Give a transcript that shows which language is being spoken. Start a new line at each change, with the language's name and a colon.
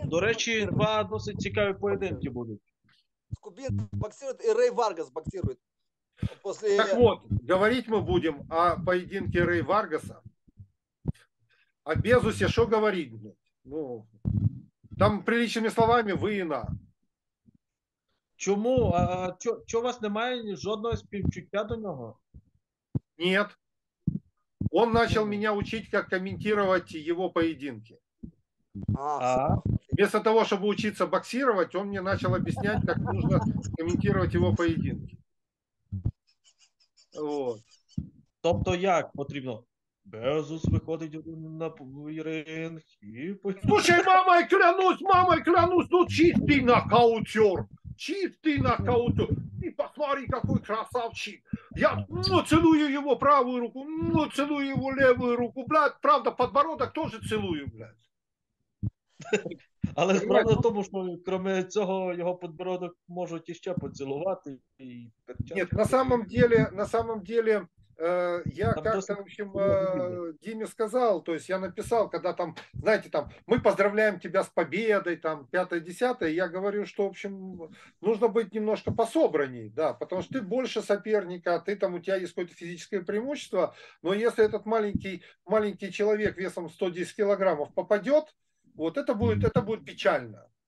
Russian: До речи, два относительно цікаві поединки будут. Скубин боксирует и Рэй Варгас боксирует. После... Так вот, говорить мы будем о поединке Рэй Варгаса. О Безусе что говорить? Ну, там приличными словами вы и на.
Ukrainian: Чому? А чого у вас немає жодного співчуття до нього?
Russian: Нет. Он начал меня учить, как комментировать его поединки. А-а-а. Вместо того, чтобы учиться боксировать, он мне начал объяснять, как нужно комментировать его поединки. Вот.
Ukrainian: Тобто як потрібно? Безус виходить на ринг і...
Russian: Слушай, мамой клянусь, ну чистий нокаутер! Чистый нокаутер. И посмотри, какой красавчик. Я целую его правую руку, целую его левую руку. Блядь, правда, подбородок тоже целую, блядь.
Ukrainian: Але справа в тому, що кроме цього його подбородок можуть іще поцілувати. І...
Russian: Нет, на самом деле, я как-то, в общем, Диме сказал, то есть я написал, когда там, знаете, там, мы поздравляем тебя с победой, там, 5-10, я говорю, что, в общем, нужно быть немножко пособранней, да, потому что ты больше соперника, ты там, у тебя есть какое-то физическое преимущество, но если этот маленький человек весом 110 килограммов попадет, вот это будет печально.